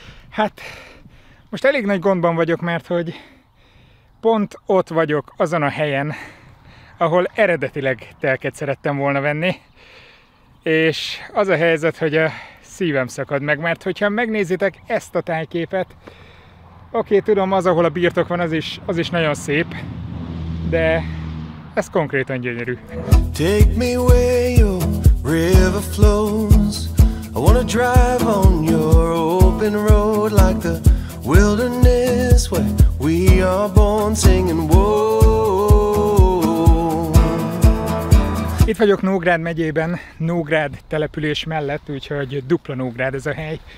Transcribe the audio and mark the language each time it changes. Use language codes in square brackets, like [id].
[hu] Hát, most elég nagy gondban vagyok, mert hogy pont ott vagyok, azon a helyen, ahol eredetileg telket szerettem volna venni, és az a helyzet, hogy a szívem szakad meg, mert hogyha megnézitek ezt a tájképet, oké, tudom, az, ahol a birtok van, az is nagyon szép, de ez konkrétan gyönyörű. [en] Take me where your river flows. I wanna drive on your open road like the wilderness where we are born singing whoa. [hu] Itt vagyok Nógrád megyében, Nógrád település mellett, úgyhogy dupla Nógrád ez a hely.